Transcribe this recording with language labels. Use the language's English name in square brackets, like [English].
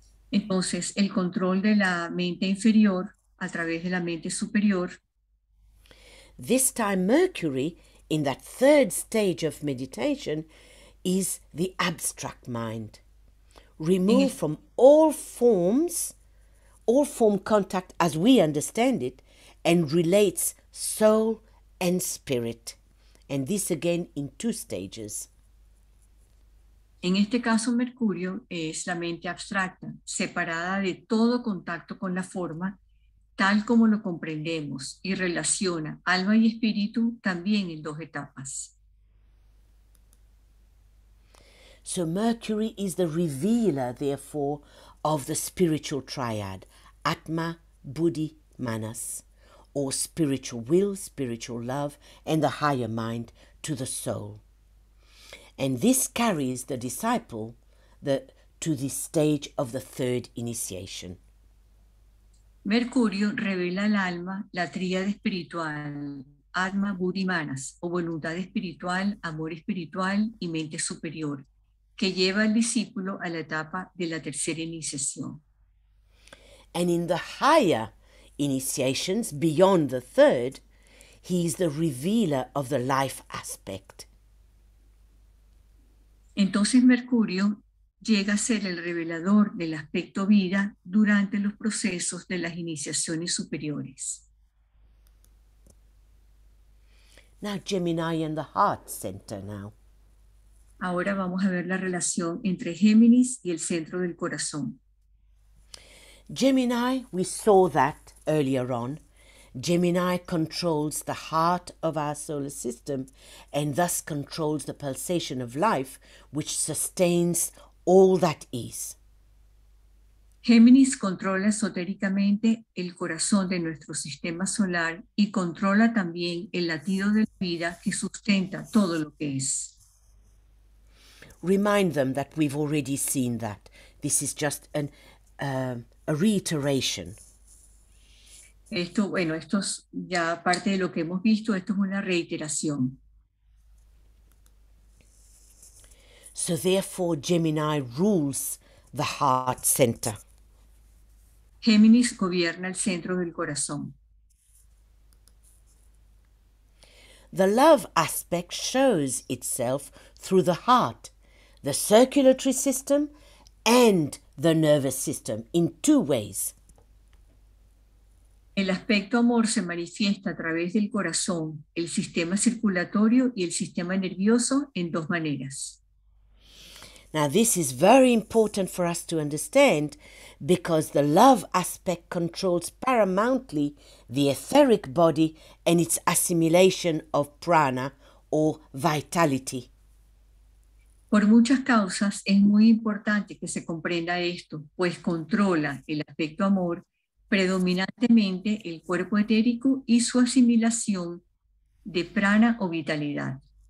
[Spanish] Entonces, el control de la mente inferior a través de la mente superior. [English] This time, Mercury, in that third stage of meditation, is the abstract mind. Removed from all forms, all form contact as we understand it, and relates soul and spirit, and this again in two stages. [Spanish] En este caso, Mercurio es la mente abstracta, separada de todo contacto con la forma, tal como lo comprendemos, y relaciona alma y espíritu también en dos etapas. [English] So Mercury is the revealer, therefore, of the spiritual triad, Atma, Buddhi, Manas, or spiritual will, spiritual love, and the higher mind to the soul. And this carries the disciple to the stage of the third initiation. [Spanish] Mercurio revela el alma, la tríada espiritual, Atma, Buddhi, Manas, o voluntad espiritual, amor espiritual y mente superior, que lleva al discípulo a la etapa de la tercera iniciación. [English] And in the higher initiations, beyond the third, he is the revealer of the life aspect. [Spanish] Entonces Mercurio llega a ser el revelador del aspecto vida durante los procesos de las iniciaciones superiores. [English] Now Gemini and the heart center now. [Spanish] Ahora vamos a ver la relación entre Géminis y el centro del corazón. [English] Gemini, we saw that earlier on. Gemini controls the heart of our solar system and thus controls the pulsation of life which sustains all that is. [Spanish] Géminis controla esotéricamente el corazón de nuestro sistema solar y controla también el latido de la vida que sustenta todo lo que es. [English] Remind them that we've already seen that. This is just a reiteration. [Spanish] Esto, bueno, esto es ya parte de lo que hemos visto, esto es una reiteración. [English] So therefore Gemini rules the heart center. [Spanish] Géminis gobierna el centro del corazón. [English] The love aspect shows itself through the heart, the circulatory system and the nervous system in two ways. [Spanish] El aspecto amor se manifiesta a través del corazón, el sistema circulatorio y el sistema nervioso en dos maneras. [English] Now this is very important for us to understand because the love aspect controls paramountly the etheric body and its assimilation of prana or vitality. [Spanish] Por muchas causas es muy importante que se comprenda esto, pues controla el aspecto amor predominantemente el cuerpo etérico y su asimilación de prana o vitalidad.